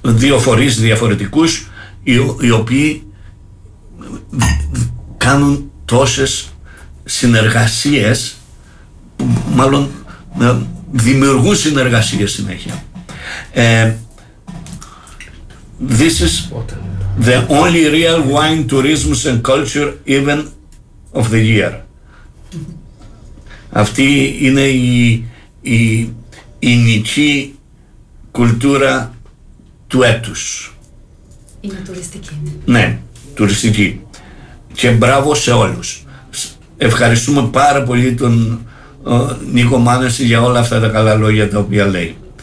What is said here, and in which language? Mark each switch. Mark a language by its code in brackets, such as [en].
[el] Δύο φορείς διαφορετικούς, οι οποίοι κάνουν τόσες συνεργασίες, που μάλλον δημιουργούν συνεργασίες συνέχεια. [en] This is the only real wine tourism and culture event of the year. [el] Αυτή είναι η ελληνική κουλτούρα του έτους. Είναι τουριστική. Ναι, τουριστική. Και μπράβο σε όλους. Ευχαριστούμε πάρα πολύ τον Νίκο Μάνεση για όλα αυτά τα καλά λόγια τα οποία λέει.